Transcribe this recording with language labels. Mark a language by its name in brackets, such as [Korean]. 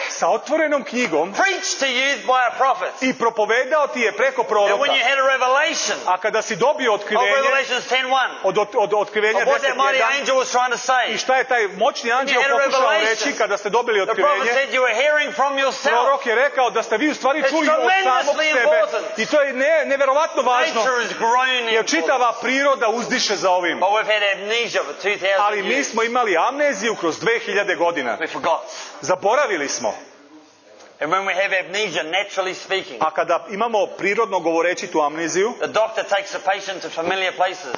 [Serbian] Sa otvorenom knjigom. [English] Preached to you by a prophet. [Serbian] I propovedao ti je preko proroka. [English] And when you had a revelation. [Serbian] A kada si dobio otkrivenje. [English] Of Revelations 10:1. [Serbian] Od otkrivenja 10:1. [English] What that mighty angel was trying to say. [Serbian] I šta je taj moćni anđeo pokušao reći kada ste dobili otkrivenje. [English] The prophet said you were hearing from yourself. [Serbian] Prorok je rekao da ste vi u stvari čuli od samog sebe. I to je neverovatno važno. [English] Nature is growing. [Serbian] Jer čitava priroda uzdiše za ovim. [English] But we've had amnesia for 2000. [Serbian] Ali mi smo imali amneziju kroz 2000 godina. Zaboravili smo. [English] And when we have amnesia, naturally speaking, [Serbian] a kada imamo prirodno govoreći tu amneziju, [English] the doctor takes the patient to familiar places.